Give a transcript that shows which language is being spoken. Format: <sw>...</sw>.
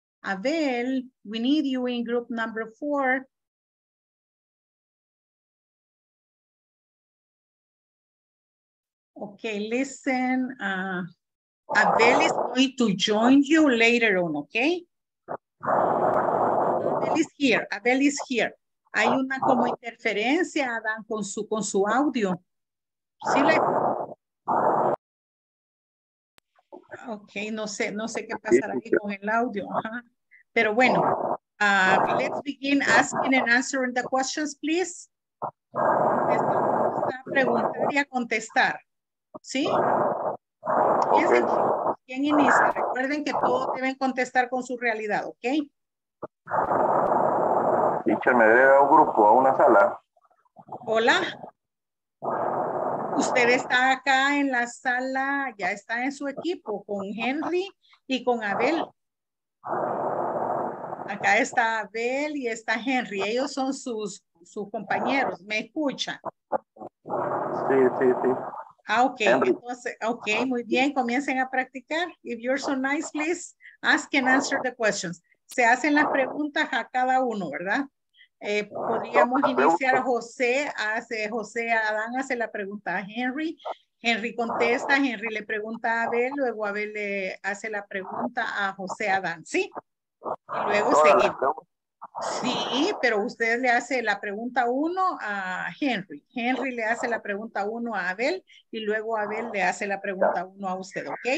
<en>Abel, we need you in group number four. Okay, listen. Abel is going to join you later on, okay? Abel is here. Abel is here.</en> <es>Hay una como interferencia, Adán, con su audio. ¿Sí le? Ok, no sé qué pasará ahí con el audio. Ajá. Pero bueno,</es> <en>let's begin asking and answering the questions, please.</en> <es>Esto es una pregunta y a contestar. ¿Sí? ¿Quién inicia? Recuerden que todos deben contestar con su realidad, ¿ok? Teacher, me debe a un grupo, a una sala. Hola. Usted está acá en la sala, ya está en su equipo con Henry y con Abel. Acá está Abel y está Henry. Ellos son sus compañeros. ¿Me escuchan? Sí, sí, sí. Ah, ok. Entonces, ok, muy bien. Comiencen a practicar.</es> <en>If you're so nice, please ask and answer the questions.</en> <es>Se hacen las preguntas a cada uno, ¿verdad? Podríamos iniciar José, Adán hace la pregunta a Henry, Henry contesta, Henry le pregunta a Abel, luego Abel le hace la pregunta a José, Adán, ¿sí? Y luego seguimos. Sí, pero usted le hace la pregunta uno a Henry, Henry le hace la pregunta uno a Abel, y luego Abel le hace la pregunta uno a usted, ¿ok?</es>